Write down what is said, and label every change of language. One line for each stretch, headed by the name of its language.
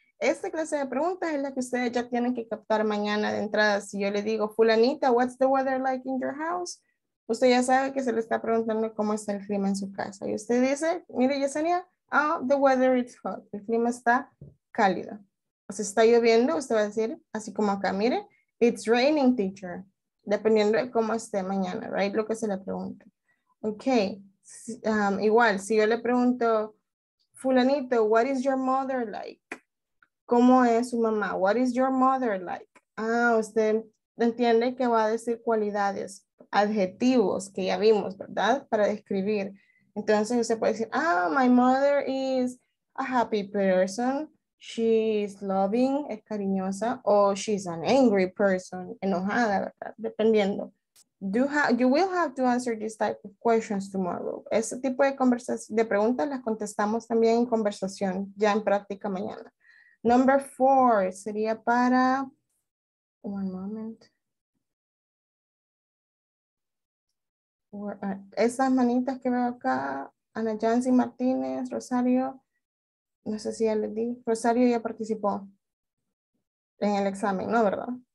Spanish: Esta clase de preguntas es la que ustedes ya tienen que captar mañana de entrada. Si yo le digo,
English: fulanita, what's the weather like in your house?
Spanish: Usted ya sabe que se le está preguntando cómo está el clima en su casa. Y usted dice, mire,
English: Yesenia, oh, the weather is hot.
Spanish: El clima está cálido. O sea, está lloviendo, usted va a decir, así como acá, mire,
English: it's raining, teacher.
Spanish: Dependiendo de cómo esté mañana, right? Lo que se le pregunta. Okay. Igual, si yo le pregunto, fulanito,
English: what is your mother like?
Spanish: ¿Cómo es su mamá?
English: What is your mother like?
Spanish: Ah, usted entiende que va a decir cualidades, adjetivos que ya vimos, ¿verdad? Para describir. Entonces, usted puede decir, ah,
English: my mother is a happy person. She is loving,
Spanish: es cariñosa.
English: O she's an angry person,
Spanish: enojada, ¿verdad? Dependiendo.
English: You will have to answer this type of questions tomorrow.
Spanish: Ese tipo de conversaciones, de preguntas las contestamos también en conversación, ya en práctica mañana.
English: Number four
Spanish: sería para,
English: one moment.
Spanish: Esas manitas que veo acá, Ana Yancy Martínez, Rosario, no sé si ya les di, Rosario ya participó en el examen, ¿no, verdad?